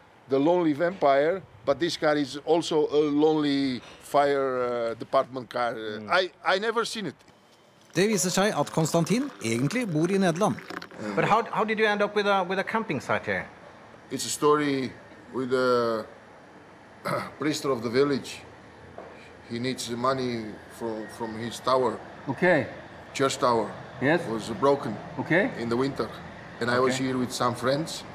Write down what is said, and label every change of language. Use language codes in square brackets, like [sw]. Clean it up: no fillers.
[en] The lonely vampire, but this car is also a lonely fire department car. I never seen it. [no] Det viser seg at Konstantin egentlig bor i Nederland. [en] But how did you end up with a camping site here? It's a story with a priest of the village. He needs money from his tower. Okay. Church tower. Yes. Was broken. Okay. In the winter. And I was here with some friends.